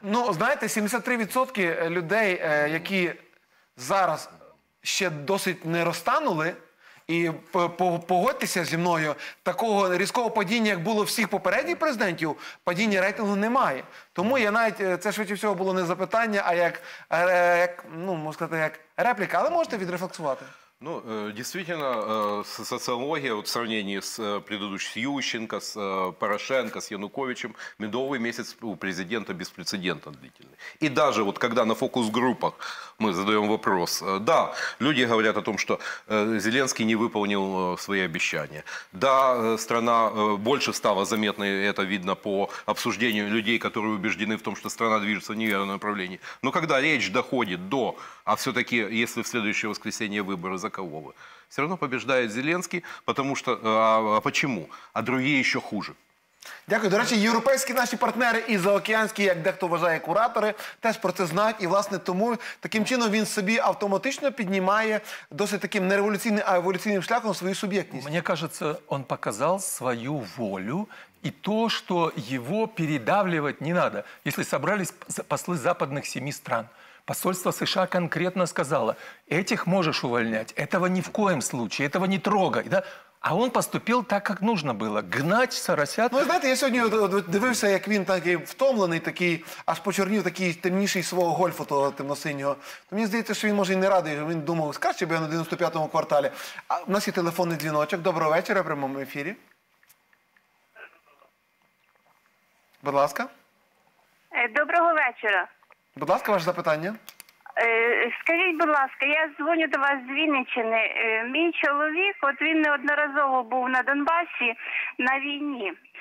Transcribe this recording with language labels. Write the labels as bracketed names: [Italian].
[Ukrainian] Ну, знаєте, 73% людей, які зараз ще досить не розтанули, і погодьтеся зі мною, такого різкого падіння, як було всіх попередніх президентів, падіння рейтингу немає. Тому я навіть, це швидше всього було не запитання, а як ну, можна сказати, як репліка. Але можете відрефлексувати? [Russian] Ну, действительно, социология вот в сравнении с предыдущим, с Ющенко, с Порошенко, с Януковичем, медовый месяц у президента беспрецедентно длительный. И даже вот когда на фокус-группах мы задаем вопрос, да, люди говорят о том, что Зеленский не выполнил свои обещания. Да, страна больше стала заметной, это видно по обсуждению людей, которые убеждены в том, что страна движется в неверном направлении. Но когда речь доходит до, а все-таки, если в следующее воскресенье выборы, за кого вы? Все равно побеждает Зеленский, потому что... А почему? А другие еще хуже. [Ukrainian] Дякую. До речі, європейські наші партнери і заокеанські, як дехто вважає, куратори, теж про це знають. І, власне, тому таким чином він собі автоматично піднімає досить таким не революційним, а еволюційним шляхом свою суб'єктність. Мені кажеться, він показав свою волю и то, що його передавлювати не треба, якщо зібрались посли западних 7 стран. [Russian] Посольство США конкретно сказало, этих можешь увольнять, этого ни в коем случае, этого не трогай. Да? А он поступил так, как нужно было, гнать соросят. Ну, знаете, [Ukrainian] я сегодня дивився, как он такий втомлений, такий, аж почернів, такий темніший свого гольфа, того темно-синього. [Russian] То мне кажется, что он, может, и не радий, он думал, скажи, бы я на 95-му квартале. А у нас есть телефонный дзвіночок. [Ukrainian] Доброго вечора, в прямом ефірі. Будь ласка. Доброго вечора. Будь ласка, ваше запитання. Скажіть, будь ласка, я дзвоню до вас з Вінниччини. Мій чоловік, от він неодноразово був на Донбасі на війні.